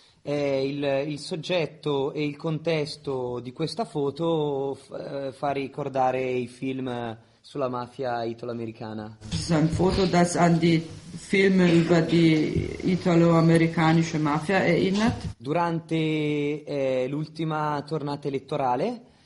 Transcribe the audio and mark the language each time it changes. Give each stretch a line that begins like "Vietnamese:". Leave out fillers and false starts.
Italian: Il soggetto e il contesto di questa foto fa ricordare i film sulla mafia italo-americana.
German: Es ist ein Foto, das an die Filme über die italo-amerikanische Mafia erinnert.
Italian: Durante l'ultima tornata elettorale.